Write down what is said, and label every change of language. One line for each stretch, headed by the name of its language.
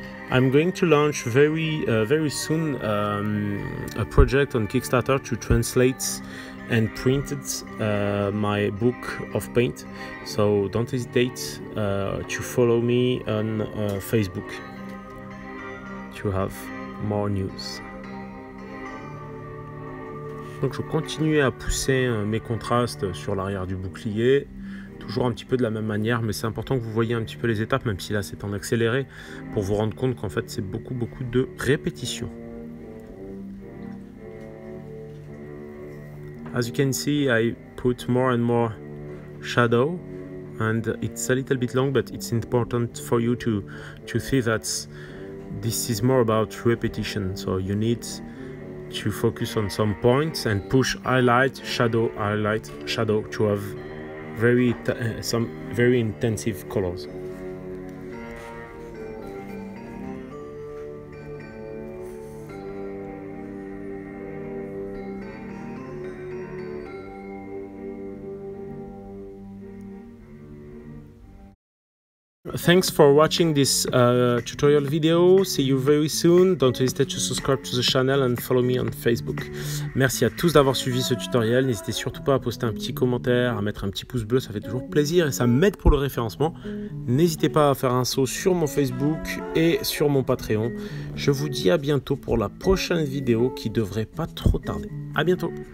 English: I'm going to launch very soon a project on Kickstarter to translate and printed my book of paint, so don't hesitate to follow me on Facebook to have more news.
French: Donc je continue à pousser mes contrastes sur l'arrière du bouclier, toujours un petit peu de la même manière, mais c'est important que vous voyez un petit peu les étapes, même si là c'est en accéléré, pour vous rendre compte qu'en fait c'est beaucoup de répétitions.
English: As you can see, I put more and more shadow, and it's a little bit long, but it's important for you to see that this is more about repetition. So you need to focus on some points and push highlight, shadow to have some very intensive colors. Thanks for watching this tutorial video. See you very soon. Don't hesitate to subscribe to the channel and follow me on Facebook.
French: Merci à tous d'avoir suivi ce tutoriel. N'hésitez surtout pas à poster un petit commentaire, à mettre un petit pouce bleu, ça fait toujours plaisir et ça m'aide pour le référencement. N'hésitez pas à faire un saut sur mon Facebook et sur mon Patreon. Je vous dis à bientôt pour la prochaine vidéo qui devrait pas trop tarder. À bientôt.